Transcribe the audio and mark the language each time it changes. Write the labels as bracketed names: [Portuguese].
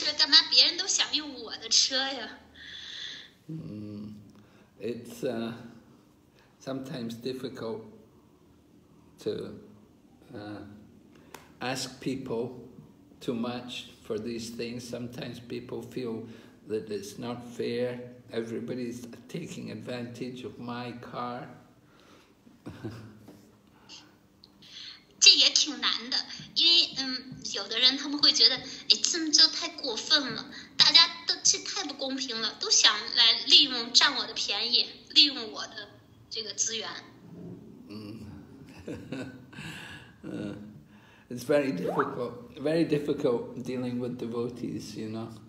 [Chinese] 这是我的车，干嘛别人都想用我的车呀？ [English] It's sometimes difficult to ask people too much for these things. Sometimes people feel that it's not fair. Everybody's taking advantage of my car. [Chinese] 这也挺难的，因为有的人他们会觉得，哎，这么做太过分了，大家都这太不公平了，都想来利用占我的便宜，利用我的这个资源。 [English] It's very difficult dealing with devotees, you know.